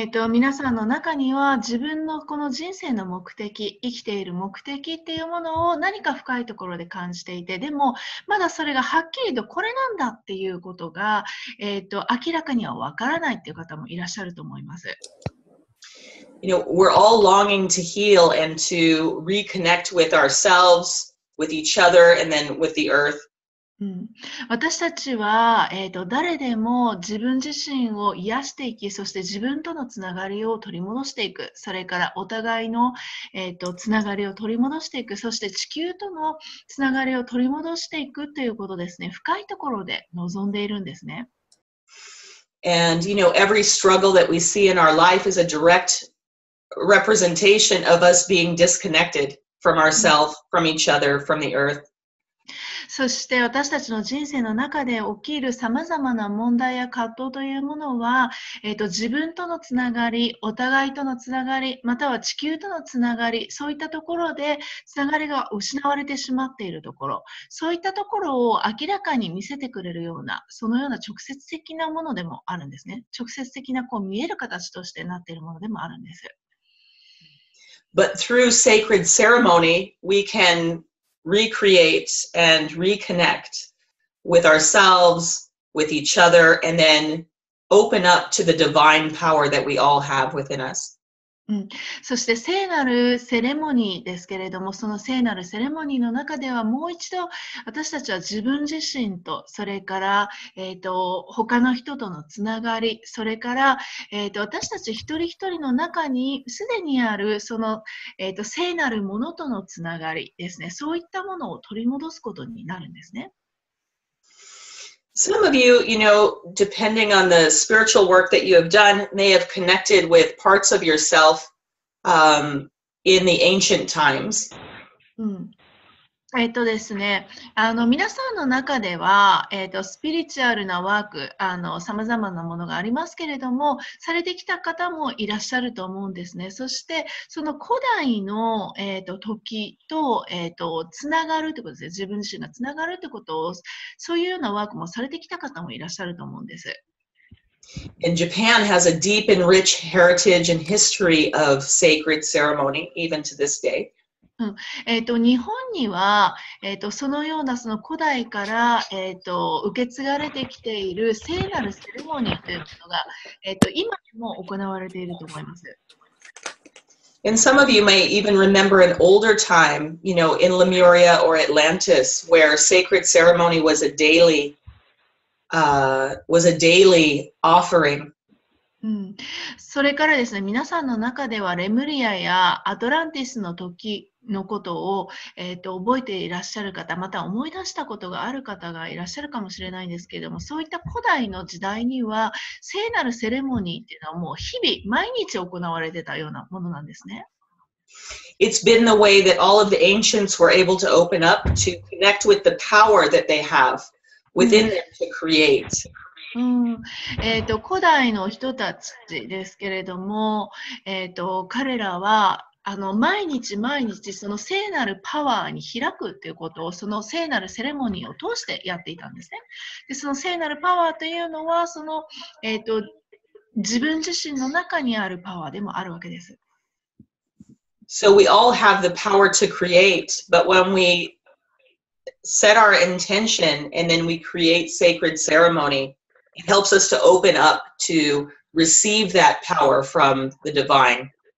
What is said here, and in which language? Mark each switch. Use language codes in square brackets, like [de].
[ja] 皆さんの中には自分のこの人生の目的、生きている目的っていうものを何か深いところで感じていて、でもまだそれがはっきりとこれなんだっていうことが、明らかにはわからないっていう方もいらっしゃると思います。 [en] You know, we're all longing to heal and to reconnect with ourselves, with each other, and then with the earth. [ja] 私たちは、誰でも自分自身を癒していき、そして自分とのつながりを取り戻していく、それからお互いの、つながりを取り戻していく、そして地球とのつながりを取り戻していくということですね、深いところで望んでいるんですね。 [en] And you know, every struggle that we see in our life is a direct representation of us being disconnected from ourselves, from each other, from the earth. [ja] そして私たちの人生の中で起きるさまざまな問題や葛藤というものは、自分とのつながり、お互いとのつながり、または地球とのつながり、そういったところでつながりが失われてしまっているところ、そういったところを明らかに見せてくれるような、そのような直接的なものでもあるんですね。直接的なこう見える形としてなっているものでもあるんです。 [en] But through sacred ceremony, we can recreate and reconnect with ourselves, with each other, and then open up to the divine power that we all have within us. [ja] うん、そして聖なるセレモニーですけれども、その聖なるセレモニーの中ではもう一度私たちは自分自身と、それから、他の人とのつながり、それから、私たち一人一人の中にすでにあるその、聖なるものとのつながりですね、そういったものを取り戻すことになるんですね。 [en] Some of you, you know, depending on the spiritual work that you have done, may have connected with parts of yourself, in the ancient times. [ja] ですね、皆さんの中では、スピリチュアルなワーク、さまざまなものがありますけれども、されてきた方もいらっしゃると思うんですね。そして、その古代の、時と、つながるということですね。自分自身がつながるということを、そういうようなワークもされてきた方もいらっしゃると思うんです。 [en] And Japan has a deep and rich heritage and history of sacred ceremony, even to this day. [ja] うん、日本には、そのようなその古代から、受け継がれてきている聖なるセレモニーというものが、今でも行われていると思います。 [en] And some of you may even remember an older time, you know, in Lemuria or Atlantis, where sacred ceremony was a daily, offering. [ja] うん、それからですね、皆さんの中ではレムリアやアトランティスの時のことを、覚えていらっしゃる方、また思い出したことがある方がいらっしゃるかもしれないんですけれども、そういった古代の時代には聖なるセレモニーっていうのはもう日々毎日行われてたようなものなんですね。 [en] It's been the way that all of the ancients were able to open up to connect with the power that they have within them to create. [ja] うん、古代の人たちですけれども、彼らは毎日毎日その聖なるパワーに開くということをその聖なるセレモニーを通してやっていたんですね。でその聖なるパワーというのはその、自分自身の中にあるパワーでもあるわけです。 [en] So we all have the power to create, but when we set our intention and then we create sacred ceremony,It helps us to open up to receive that power from the divine.